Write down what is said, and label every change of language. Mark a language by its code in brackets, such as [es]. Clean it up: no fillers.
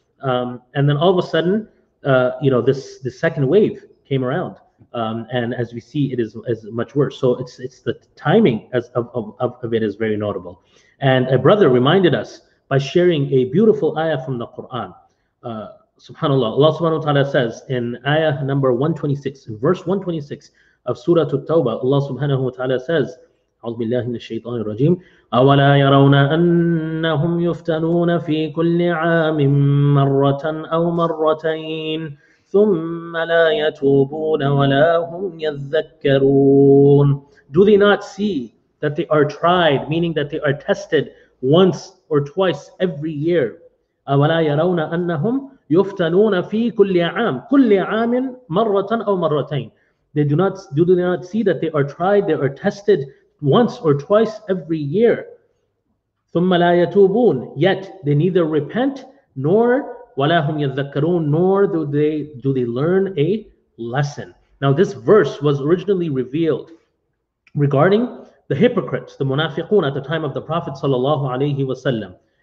[en] And then all of a sudden, you know, this second wave came around, and as we see, it is much worse. So it's the timing of it is very notable. And a brother reminded us by sharing a beautiful ayah from the Quran. Subhanallah, Allah subhanahu wa ta'ala says in ayah number 126, in verse 126 of Surah At-Tawbah, Allah subhanahu wa ta'ala says, [ar] أعوذ بالله من الشيطان الرجيم أولا يرون أنهم يفتنون في كل عام مرة أو مرتين ثم لا يتوبون ولا هم يذكرون. [en] Do they not see that they are tried, meaning that they are tested once or twice every year? [ar] أولا يرون أنهم يفتنون في كل عام كل عام مرة أو مرتين. [en] Do they not see that they are tried, they are tested once or twice every year? [ar] ثم لا يتوبون, [en] yet they neither repent nor [ar] ولا هم يذكرون, [en] nor do they learn a lesson. Now this verse was originally revealed regarding the hypocrites, the munafiqun, at the time of the Prophet sallallahu alaihi wasallam.